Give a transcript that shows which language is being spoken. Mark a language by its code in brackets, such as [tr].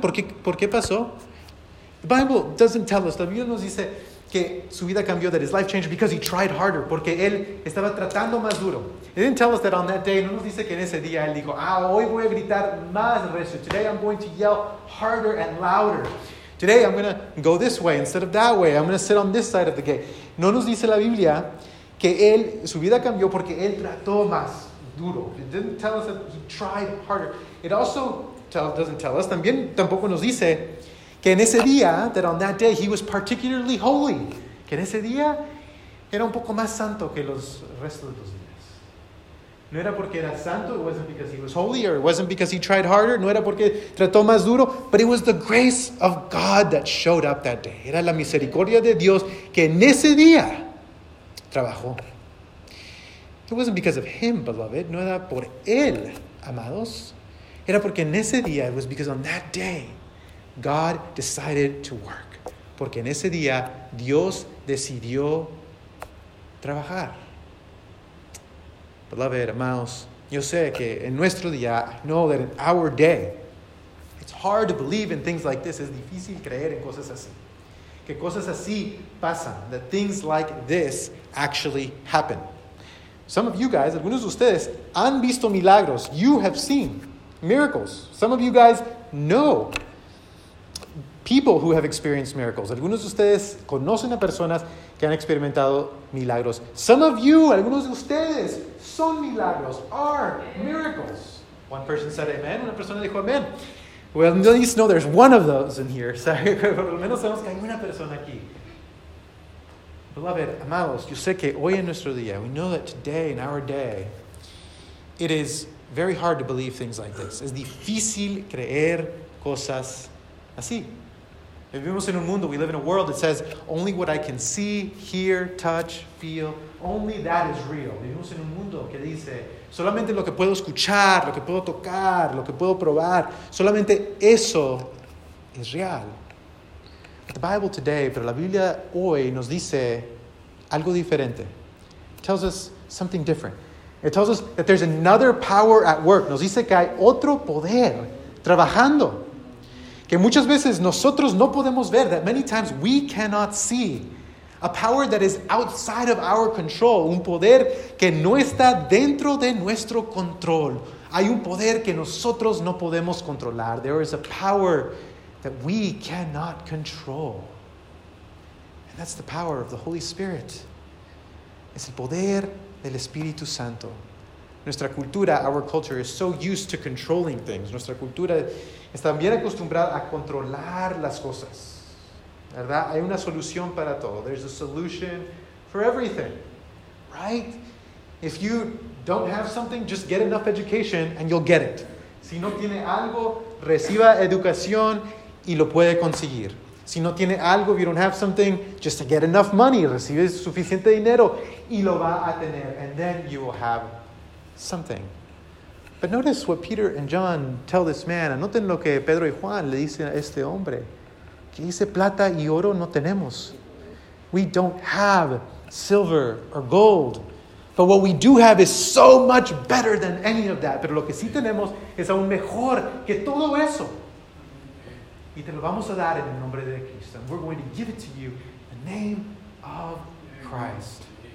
[es] ¿Por qué pasó? [en] The Bible doesn't tell us. [es] La Biblia nos dice que su vida cambió, [en] that his life changed because he tried harder, [es] porque él estaba tratando más duro. [en] He didn't tell us that on that day, [es] no nos dice que en ese día él dijo, hoy voy a gritar más recio. [en] Today I'm going to yell harder and louder. Today I'm going to go this way instead of that way. I'm going to sit on this side of the gate. [es] No nos dice la Biblia que él, su vida cambió porque él trató más duro. [en] It didn't tell us that he tried harder. It also doesn't tell us, [es] también tampoco nos dice que en ese día, [en] that on that day, he was particularly holy. [es] Que en ese día, era un poco más santo que los restos de los días. No era porque era santo, [en] it wasn't because he was holy, or it wasn't because he tried harder, [es] no era porque trató más duro, [en] but it was the grace of God that showed up that day. [es] Era la misericordia de Dios que en ese día trabajó. [en] It wasn't because of him, beloved. [es] No era por él, amados. Era porque en ese día, [en] it was because on that day, God decided to work. [es] Porque en ese día, Dios decidió trabajar. [en] Beloved, [es] amados, yo sé que en nuestro día, [en] I know that in our day, it's hard to believe in things like this. [es] Es difícil creer en cosas así. Que cosas así pasan. [en] That things like this actually happen. Some of you guys, [es] algunos de ustedes, han visto milagros. [en] You have seen miracles. Some of you guys know people who have experienced miracles. [es] Algunos de ustedes conocen a personas que han experimentado milagros. [en] Some of you, [es] algunos de ustedes, son milagros, [en] are miracles. One person said amen, [es] una persona dijo amen. [en] Well, at least know there's one of those in here. [es] Por lo menos sabemos que hay una persona aquí. [en] Beloved, [es] amados, yo sé que hoy en nuestro día, [en] we know that today, in our day, it is very hard to believe things like this. [es] Es difícil creer cosas así. Vivimos en un mundo, [en] we live in a world that says, only what I can see, hear, touch, feel, only that is real. [es] Vivimos en un mundo que dice, solamente lo que puedo escuchar, lo que puedo tocar, lo que puedo probar, solamente eso es real. [en] But the Bible today, [es] pero la Biblia hoy nos dice algo diferente. [en] It tells us something different. It tells us that there's another power at work. [es] Nos dice que hay otro poder trabajando. Que muchas veces nosotros no podemos ver, [en] that many times we cannot see a power that is outside of our control, [es] un poder que no está dentro de nuestro control. Hay un poder que nosotros no podemos controlar. [en] There is a power that we cannot control. And that's the power of the Holy Spirit. [es] Es el poder del Espíritu Santo. Nuestra cultura, [en] our culture, is so used to controlling things. [es] Nuestra cultura está bien acostumbrada a controlar las cosas. ¿Verdad? Hay una solución para todo. [en] There's a solution for everything. Right? If you don't have something, just get enough education and you'll get it. [es] Si no tiene algo, reciba educación y lo puede conseguir. Si no tiene algo, [en] if you don't have something, just to get enough money. [es] Recibe suficiente dinero y lo va a tener. [en] And then you will have something. But notice what Peter and John tell this man. [es] Anoten lo que Pedro y Juan le dicen a este hombre. Que dice, plata y oro no tenemos. [en] We don't have silver or gold. But what we do have is so much better than any of that. [es] Pero lo que sí tenemos es aún mejor que todo eso. Y te lo vamos a dar en el nombre de Cristo. [en] And we're going to give it to you in the name of Christ.